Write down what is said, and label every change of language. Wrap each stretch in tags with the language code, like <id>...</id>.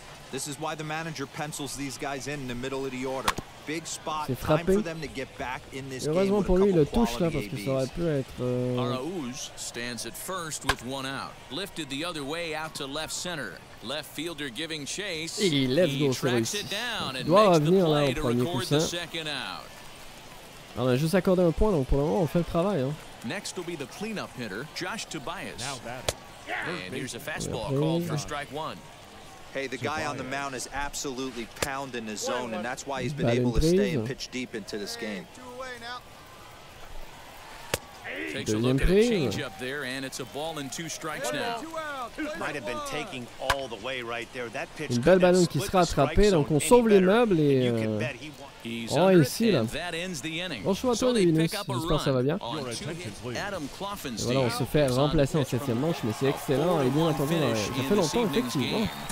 <en>This is why the manager pencils these guys in the middle of the order. Big spot, time for them to get back in this game with a couple quality ABs. Araúz stands at first with one out. Lifted the other way out to left center. Left fielder giving chase. He tracks it down and makes the play to record the second out.</en> <fr>On a juste accordé un point, donc pour le moment, on fait le travail.</fr> <en>Next will be the cleanup hitter, Josh Tobias. Now and here's a fastball called for strike one. Hey, the guy on the mound is absolutely pounding the zone, and that's why he's been able to stay and pitch deep into this game. Takes a look at a changeup there, and it's a ball and two strikes now. Might have been taking all the way right there. That pitch.</en> <fr>Une belle ballon qui sera attrapée, donc on sauve les meubles et. Oh, ici là. Bon choix, toi, Linus. J'espère que ça va bien. Et voilà, on se fait remplacer en 7ème manche, mais c'est excellent. Et bien entendu, ça fait longtemps, effectivement.</fr>